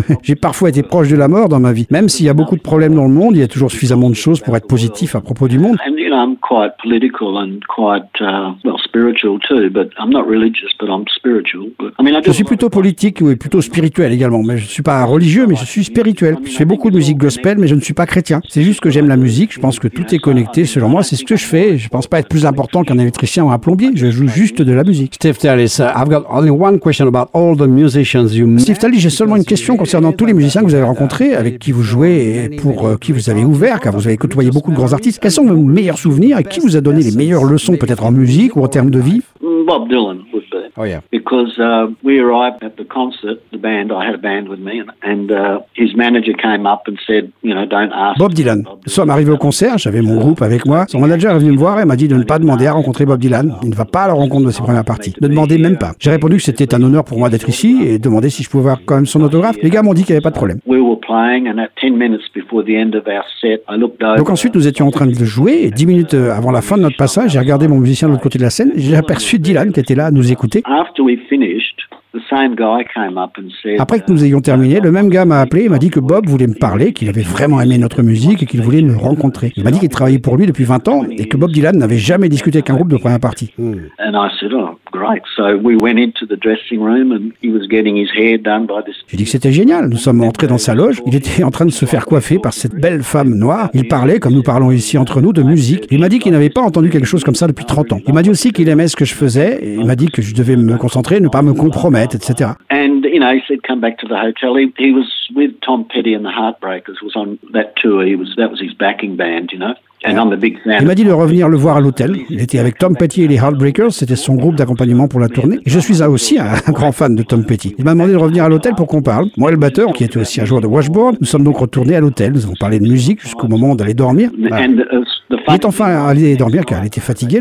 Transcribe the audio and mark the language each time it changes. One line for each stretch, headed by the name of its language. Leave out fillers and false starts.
French: J'ai parfois été proche de la mort dans ma vie. Même s'il y a beaucoup de problèmes dans le monde, il y a toujours suffisamment de choses pour être positif à propos du monde.
English: And you know, I'm quite political and quite spiritual too, but I'm not religious, but I'm spiritual.
French: Je suis plutôt politique et plutôt spirituel également, mais je ne suis pas religieux, mais je suis spirituel. Je fais beaucoup de musique gospel, mais je ne suis pas chrétien. C'est juste que j'aime la musique, je pense que tout est connecté. Selon moi, c'est ce que je fais. Je ne pense pas être plus important qu'un électricien ou un plombier. Je joue juste de la musique.
English: Steve Tallis, I've got only one question about all the musicians you met.
French: Steve Tallis, j'ai seulement une question concernant tous les musiciens que vous avez rencontrés, avec qui vous jouez et pour qui vous avez ouvert, car vous avez côtoyé beaucoup de grands artistes. Quels sont vos meilleurs souvenirs et qui vous a donné les meilleures leçons, peut-être en musique ou en termes de vie?
English: Bob Dylan. Oh yeah. Because we arrived at the concert, the band, I had a band with me, and his manager came up and said, you know, don't ask. Bob Dylan.
French: Nous sommes arrivés au concert, j'avais mon groupe avec moi. Son manager est venu me voir et m'a dit de ne pas demander à rencontrer Bob Dylan. Il ne va pas à la rencontre de ses premières parties. Ne demandez même pas. J'ai répondu que c'était un honneur pour moi d'être ici et demandé si je pouvais avoir quand même son autographe. Les gars m'ont dit qu'il n'y avait pas de problème.
English: We were playing, and at 10 minutes before the end of our set, I looked over.
French: Donc ensuite, nous étions en train de jouer, et 10 minutes avant la fin de notre passage, j'ai regardé mon musicien de l'autre côté de la scène, et j'ai aperçu Dylan qui était là à nous écouter.
English: After we finished, the same guy came up and said.
French: Après que nous ayons terminé, le même gars m'a appelé et m'a dit que Bob voulait me parler, qu'il avait vraiment aimé notre musique et qu'il voulait me rencontrer. Il m'a dit qu'il travaillait pour lui depuis 20 ans et que Bob Dylan n'avait jamais discuté avec un groupe de première partie.
English: And I said, oh, great. So we went into the dressing room and he was getting his hair done by this.
French: J'ai dit que c'était génial. Nous sommes entrés dans sa loge. Il était en train de se faire coiffer par cette belle femme noire. Il parlait, comme nous parlons ici entre nous, de musique. Il m'a dit qu'il n'avait pas entendu quelque chose comme ça depuis 30 ans. Il m'a dit aussi qu'il aimait ce que je faisais et il m'a dit que je devais me concentrer, ne pas me compromettre. Etc.
English: And you know, he said, "Come back to the hotel." He was with Tom Petty and the Heartbreakers. Was on that tour. That was his backing band. You know.
French: Il m'a dit de revenir le voir à l'hôtel. Il était avec Tom Petty et les Heartbreakers. C'était son groupe d'accompagnement pour la tournée. Et je suis aussi un grand fan de Tom Petty. Il m'a demandé de revenir à l'hôtel pour qu'on parle. Moi et le batteur, qui était aussi un joueur de Washboard, nous sommes donc retournés à l'hôtel. Nous avons parlé de musique jusqu'au moment d'aller dormir. Il est enfin allé dormir car il était fatigué.